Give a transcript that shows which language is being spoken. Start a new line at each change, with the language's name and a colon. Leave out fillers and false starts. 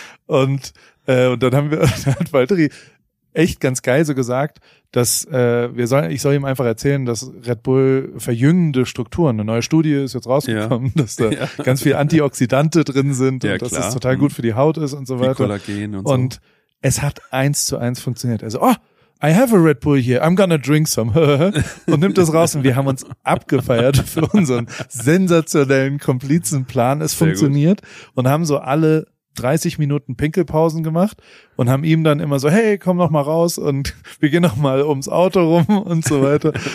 German: Und dann haben wir, dann hat Valtteri echt ganz geil so gesagt, dass ich soll ihm einfach erzählen, dass Red Bull verjüngende Strukturen, eine neue Studie ist jetzt rausgekommen, dass da ganz viel Antioxidante drin sind und dass das total gut für die Haut ist und so weiter. Wie Kollagen und so. Und es hat 1:1 funktioniert. Also,
English: oh, I have a Red Bull here, I'm gonna drink some.
German: und nimmt das raus und wir haben uns abgefeiert für unseren sensationellen Komplizenplan. Es funktioniert und haben so alle 30 Minuten Pinkelpausen gemacht und haben ihm dann immer so, hey, komm noch mal raus und wir gehen noch mal ums Auto rum und so weiter.